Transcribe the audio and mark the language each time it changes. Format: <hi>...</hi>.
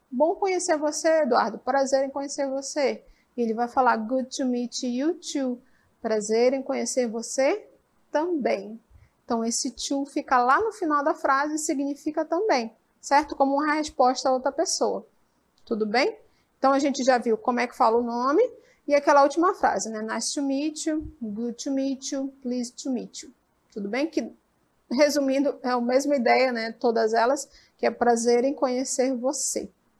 <pt>Bom conhecer você, Eduardo. Prazer em conhecer você. E ele vai falar,</pt> <en>good to meet you too.</en> <pt>Prazer em conhecer você também. Então, esse to fica lá no final da frase e significa também, certo? Como uma resposta a outra pessoa. Tudo bem? Então, a gente já viu como é que fala o nome e aquela última frase, né?</pt> <en>Nice to meet you, good to meet you, pleased to meet you.</en> <pt>Tudo bem? Que, resumindo, é a mesma ideia, né? Todas elas, que é prazer em conhecer você.</pt>